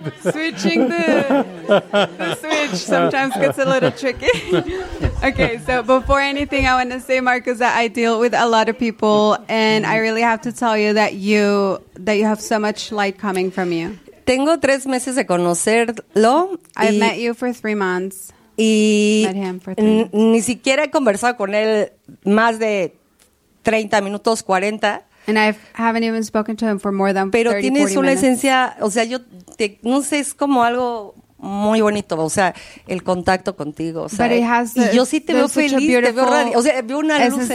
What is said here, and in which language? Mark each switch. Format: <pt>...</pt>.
<en>Switching the switch sometimes gets a little tricky. Okay, so before anything, I want to say, Marcos, that I deal with a lot of people, and I really have to tell you that you have so much light coming from you.</en> <es>Tengo tres meses de conocerlo.</es> <en>I've met you for 3 months.</en> <es>Y ni siquiera he conversado con él más de 30 minutos, 40.</es> <en>And I haven't even spoken to him for more than 30, 40 minutes.</en> <es>Pero tienes una esencia, o sea, no sé, es como algo muy bonito, o sea, el contacto contigo, o sea,</es> <en>but he has</en> <es>y yo sí te veo feliz, te veo radiante, o sea, veo una luz en ti.</es>